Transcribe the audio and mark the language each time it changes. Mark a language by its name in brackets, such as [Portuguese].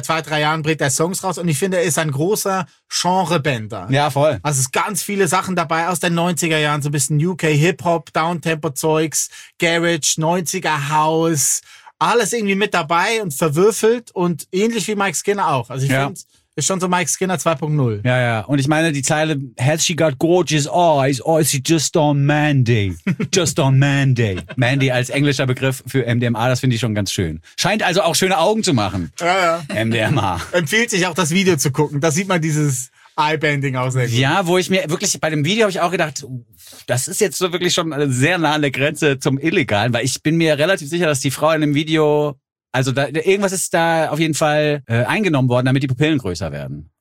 [German] Seit 2-3 Jahren bringt er Songs raus. Und ich finde, er ist ein großer Genrebänder. Ja, voll. Also es sind ganz viele Sachen dabei aus den 90er Jahren. So ein bisschen UK-Hip-Hop, Downtempo-Zeugs, Garage, 90er-House. Alles irgendwie mit dabei und verwürfelt und ähnlich wie Mike Skinner auch. Also ich finde, ist schon so Mike Skinner 2.0. Ja, ja. Und ich meine, die Zeile, [English] has she got gorgeous eyes or is she just on Mandy? Just on Mandy. [German] Mandy als englischer Begriff für MDMA, das finde ich schon ganz schön. Scheint also auch schöne Augen zu machen. Ja, ja. MDMA. Empfiehlt sich auch, das Video zu gucken. Da sieht man dieses Eye-Bending auch sehr gut. Ja, wo ich mir wirklich, bei dem Video habe ich auch gedacht, das ist jetzt so wirklich schon sehr nah an der Grenze zum Illegalen, weil ich bin mir relativ sicher, dass die Frau in dem Video, also da, irgendwas ist da auf jeden Fall eingenommen worden, damit die Pupillen größer werden.